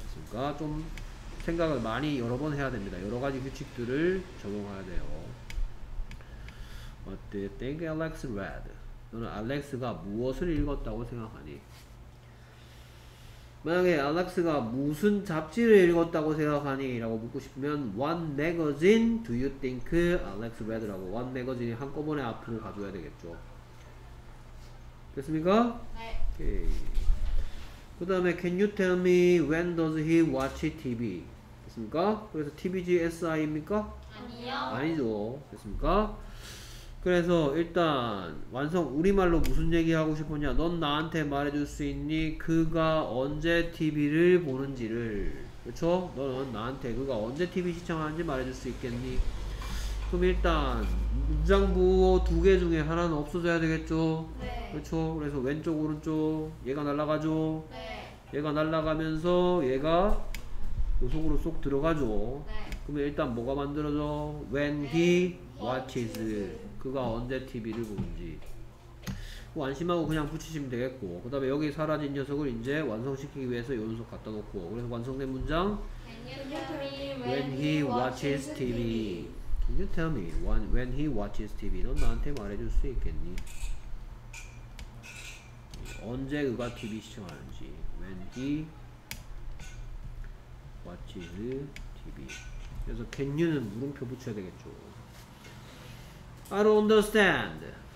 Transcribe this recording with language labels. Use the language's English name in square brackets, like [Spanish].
[Korean] 그러니까 좀 생각을 많이 여러 번 해야 됩니다. 여러 가지 규칙들을 적용해야 돼요. [English] What do you think Alex read? [Korean] 너는 Alex가 무엇을 읽었다고 생각하니? 만약에 알렉스가 무슨 잡지를 읽었다고 생각하니? 라고 묻고 싶으면 [English] What magazine do you think Alex read? [Korean] 라고 What magazine이 한꺼번에 앞으로 가져와야 되겠죠. 됐습니까? 네. 그 다음에 [English] Can you tell me when does he watch TV? [Korean] 됐습니까? 그래서 TVGSI입니까? 아니요. 아니죠. 됐습니까? 그래서 일단 완성 우리말로 무슨 얘기하고 싶었냐. 넌 나한테 말해줄 수 있니? 그가 언제 TV를 보는지를. 그쵸? 너는 나한테 그가 언제 TV 시청하는지 말해줄 수 있겠니? 그럼 일단 문장 부호 두 개 중에 하나는 없어져야 되겠죠? 네. 그쵸? 그래서 왼쪽 오른쪽 얘가 날아가죠? 네. 얘가 날아가면서 얘가 요 속으로 쏙 들어가죠? 네. 그러면 일단 뭐가 만들어져? [English] When he watches. [Korean] 그가 언제 TV를 보는지 안심하고 그냥 붙이시면 되겠고 그 다음에 여기 사라진 녀석을 이제 완성시키기 위해서 연속 갖다 놓고 그래서 완성된 문장 [English] Can you tell me when he watches TV? Can you tell me when he watches TV? [Korean] 넌 나한테 말해줄 수 있겠니? 언제 그가 TV 시청하는지 [English] When he watches TV. [Korean] 그래서 Can you는 물음표 붙여야 되겠죠. [English] I don't understand.